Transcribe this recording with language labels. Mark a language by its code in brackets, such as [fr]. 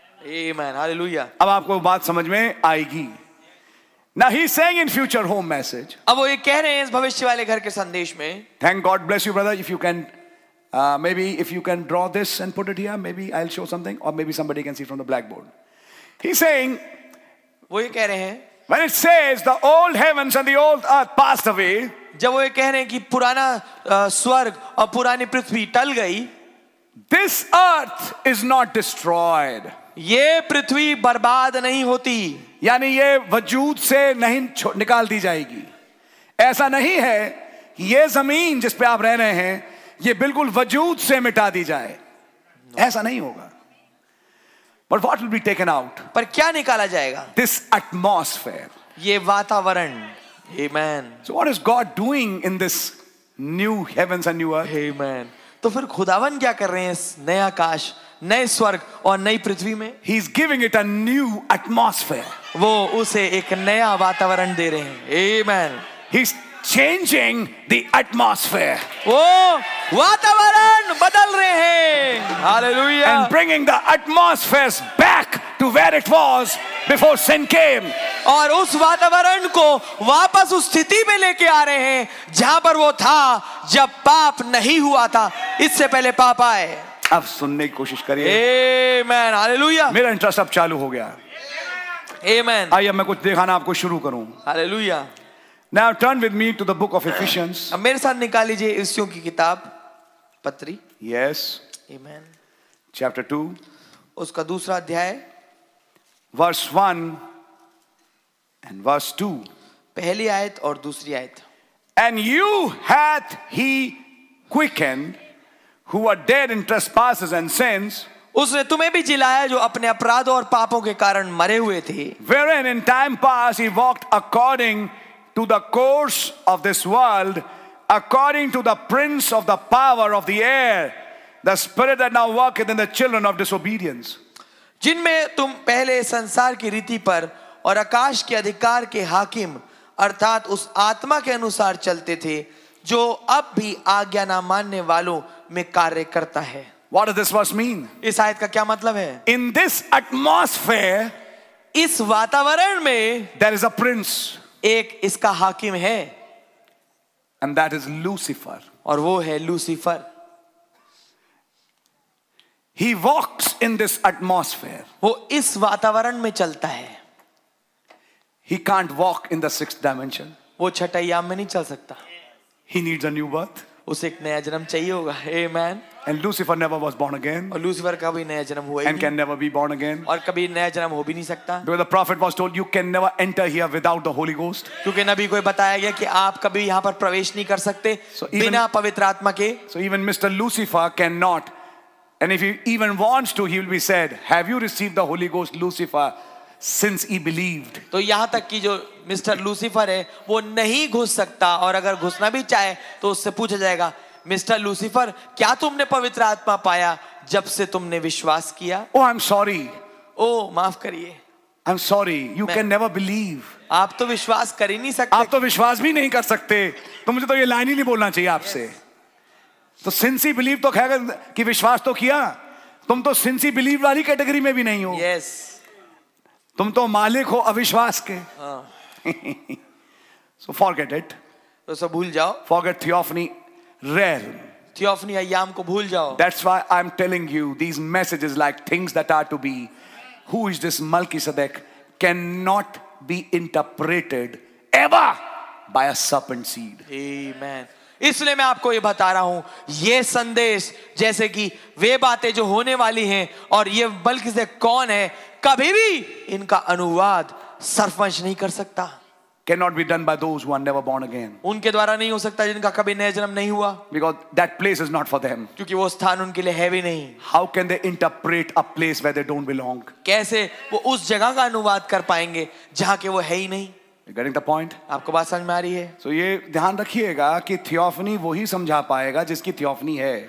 [en] Amen. Hallelujah. [hi] अब आपको बात समझ में आएगी [en] Now, he's saying in future home message, [hi] अब वो ये कह रहे हैं इस भविष्य वाले घर के संदेश में [en] Thank God, bless you, brother. If you can draw this and put it here, maybe I'll show something, or maybe somebody can see from the blackboard. He's saying, [hi] वो ये कह रहे हैं [en] When it says the old heavens and the old earth passed away, [hi] जब वो ये कह रहे हैं कि पुराना स्वर्ग और पुरानी पृथ्वी टल गई, [en] this earth is not destroyed. [hi] ये पृथ्वी बर्बाद नहीं होती. यानी ये वजूद से नहीं निकाल दी जाएगी. ऐसा नहीं है ये जमीन जिस पे आप रह रहे हैं ये बिल्कुल वजूद से मिटा दी जाए. ऐसा नहीं होगा. [en] But what will be taken out? [hi] पर क्या निकाला जाएगा? [en] This atmosphere. [hi] ये वातावरण. Amen. [en] So what is God doing in this new heavens and new earth? Amen. [hi] तो फिर खुदावन क्या कर रहे हैं इस नए आकाश, नए स्वर्ग और नई पृथ्वी में? [en] He is giving it a new atmosphere. [hi] वो उसे एक नया वातावरण दे रहे हैं. [en] Amen. He's changing the atmosphere. [hi] वो वातावरण बदल रहे हैं. Hallelujah. [en] And bringing the atmospheres back to where it was before sin came. [hi] और उस वातावरण को वापस उस स्थिति में लेके आ रहे हैं जहां पर वो था जब पाप नहीं हुआ था, इससे पहले पाप आए. अब सुनने की कोशिश करिए. [en] Amen. Hallelujah. [hi] मेरा इंटरेस्ट अब चालू हो गया. [en] Amen. [hi] आइए मैं कुछ दिखाना आपको शुरू करूं. [en] Hallelujah. Now turn with me to the book of Ephesians. [hi] अब मेरे साथ निकाल लीजिए इफिसियों की किताब, पत्री. [en] Yes. Amen. Chapter 2. [hi] उसका दूसरा अध्याय. [en] Verse 1 and verse 2. [hi] पहली आयत और दूसरी आयत. [en] And you hath he quickened who are dead in trespasses and sins. [hi] उसने तुम्हें भी जिलाया जो अपने अपराधों और पापों के कारण मरे हुए थे. [en] Wherein in time past he walked according to the course of this world, according to the prince of the power of the air, the spirit that now worketh in the children of disobedience. [hi] जिनमें तुम पहले संसार की रीति पर और आकाश के अधिकार के हाकिम अर्थात उस आत्मा के अनुसार चलते थे जो अब भी आज्ञा ना मानने वालों में कार्य करता है. [en] What does this verse mean? [hi] इस आयत का क्या मतलब है? [en] In this atmosphere, [hi] इस वातावरण में, [en] there is a prince. [hi] एक इसका हाकिम है. [en] And that is Lucifer. [hi] और वो है Lucifer. [en] He walks in this atmosphere. [hi] वो इस वातावरण में चलता है. [en] He can't walk in the sixth dimension. [hi] वो छठयाम में नहीं चल सकता. [en] He needs a new birth. उसे एक नया जन्म चाहिए होगा. Amen. And Lucifer never was born again. [hi] और लूसीफर का भी नया जन्म हुआ [en] ही. And can never be born again. [hi] और कभी नया जन्म हो भी नहीं सकता. [en] Because the prophet was told you can never enter here without the Holy Ghost. [hi] क्योंकि नबी को बताया गया कि आप कभी यहाँ पर प्रवेश नहीं कर सकते बिना पवित्र आत्मा के. [en] So even Mr. Lucifer cannot. And if he even wants to, he will be said, "Have you received the Holy Ghost, Lucifer, since he believed?" [hi] तो यहाँ तक कि जो Mr. Lucifer है, वो नहीं घुस सकता. और अगर घुसना भी चाहे, तो उससे पूछा जाएगा, Mr. Lucifer, क्या तुमने पवित्र आत्मा पाया जब से तुमने विश्वास किया? [en] Oh, I'm sorry. [hi] Oh, माफ करिए. [en] I'm sorry. You can never believe. [hi] आप तो विश्वास कर ही नहीं सकते. आप तो विश्वास भी नहीं कर सकते. तो मुझे तो ये लाइन ही नहीं बोलना चाहिए आपसे. तो [en] since he believe [hi] तो खैर कि विश्वास तो किया. तुम तो सिंस ही बिलीव वाली कैटेगरी में भी नहीं हो. [en] Yes. [hi] तुम तो मालिक हो अविश्वास के. [en] So forget it. [hi] तो सब भूल जाओ. [en] Forget theophany realm. [hi] Theophany आयाम को भूल जाओ. [en] That's why I'm telling you these messages like things that are to be. Who is this Melchizedek? Cannot be interpreted ever by a serpent seed. Amen. [hi] इसलिए मैं आपको ये बता रहा हूं, ये संदेश जैसे कि वे बातें जो होने वाली हैं और ये बल्कि से कौन है, कभी भी इनका अनुवाद सरपंच नहीं कर सकता. [en] Cannot be done by those who are never born again. [hi] उनके द्वारा नहीं हो सकता जिनका कभी नया जन्म नहीं हुआ. [en] Because that place is not for them. [hi] क्योंकि वो स्थान उनके लिए है भी नहीं. [en] How can they interpret a place where they don't belong? [hi] कैसे वो उस जगह का अनुवाद कर पाएंगे जहां के वो है ही नहीं? [en] Getting the point? [hi] आपको बात समझ में आ रही है? So ये ध्यान रखिएगा कि थियोफनी वो ही समझा पाएगा जिसकी थियोफनी है.